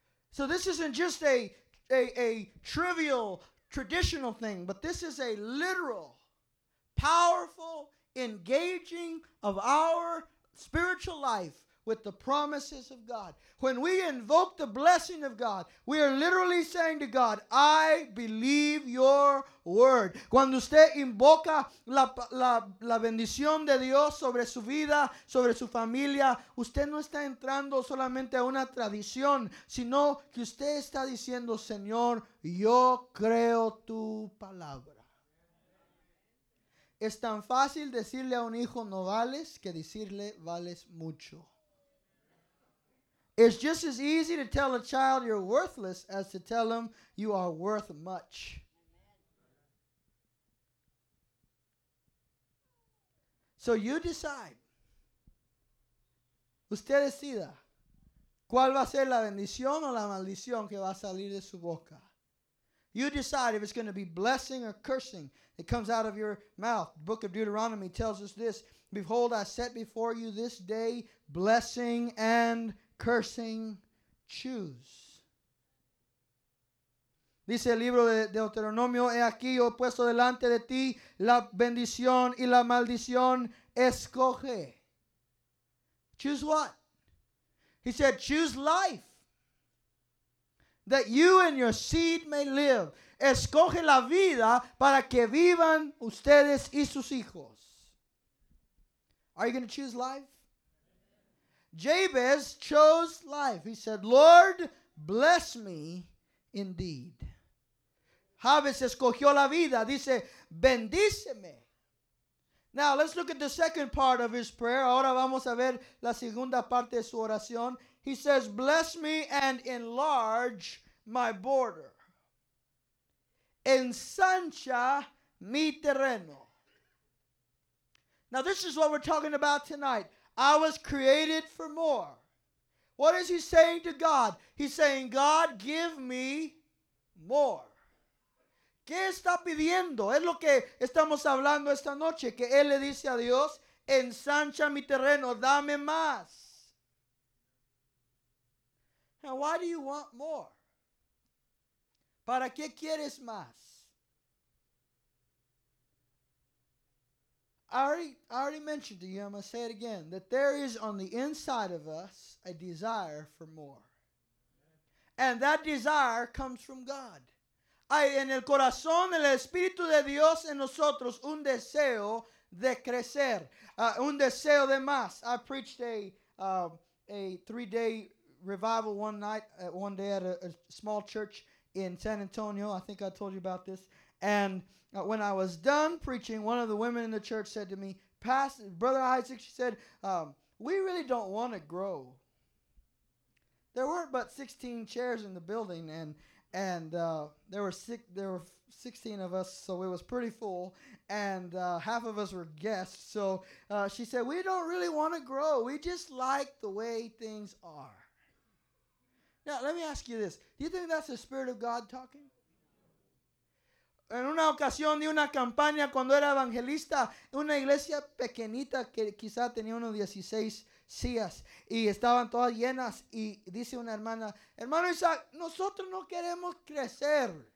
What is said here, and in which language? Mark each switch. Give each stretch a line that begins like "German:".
English: So this isn't just a trivial traditional thing, but this is a literal, powerful engaging of our spiritual life with the promises of God. When we invoke the blessing of God, we are literally saying to God, I believe your word.
Spanish: Cuando usted invoca la bendición de Dios sobre su vida, sobre su familia, usted no está entrando solamente a una tradición, sino que usted está diciendo, Señor, yo creo tu palabra. Es tan fácil decirle a un hijo no vales que decirle vales mucho.
English: It's just as easy to tell a child you're worthless as to tell them you are worth much. So you decide.
Spanish: Usted decida. ¿Cuál va a ser la bendición o la maldición que va a salir de su boca?
English: You decide if it's going to be blessing or cursing. It comes out of your mouth. The book of Deuteronomy tells us this. Behold, I set before you this day blessing and cursing, choose.
Spanish: Dice el libro de Deuteronomio, he aquí yo he puesto delante de ti la bendición y la maldición, escoge.
English: Choose what? He said, choose life, that you and your seed may live.
Spanish: Escoge la vida para que vivan ustedes y sus hijos.
English: Are you going to choose life? Jabez chose life. He said, Lord, bless me indeed.
Spanish: Jabez escogió la vida. Dice, bendíceme.
English: Now, let's look at the second part of his prayer.
Spanish: Ahora vamos a ver la segunda parte de su oración.
English: He says, bless me and enlarge my border.
Spanish: Ensancha mi terreno.
English: Now, this is what we're talking about tonight. I was created for more. What is he saying to God? He's saying, God, give me more.
Spanish: ¿Qué está pidiendo? Es lo que estamos hablando esta noche, que él le dice a Dios, ensancha mi terreno, dame más.
English: Now, why do you want more?
Spanish: ¿Para qué quieres más?
English: I already mentioned to you, I'm going to say it again, that there is on the inside of us a desire for more. And that desire comes from God.
Spanish: Hay en el corazón, en el Espíritu de Dios en nosotros, un deseo de crecer, un deseo de más.
English: I preached a a 3-day revival one day at a small church in San Antonio. I think I told you about this. And when I was done preaching, one of the women in the church said to me, "Pastor, Brother Isaac," she said, "we really don't want to grow. There weren't but 16 chairs in the building, and there were 16 of us, so it was pretty full, and half of us were guests. So she said, "We don't really want to grow. We just like the way things are." Now, let me ask you this. Do you think that's the Spirit of God talking?
Spanish: En una ocasión de una campaña cuando era evangelista, una iglesia pequeñita que quizá tenía unos 16 sillas y estaban todas llenas, y dice una hermana, "Hermano Isaac, nosotros no queremos crecer.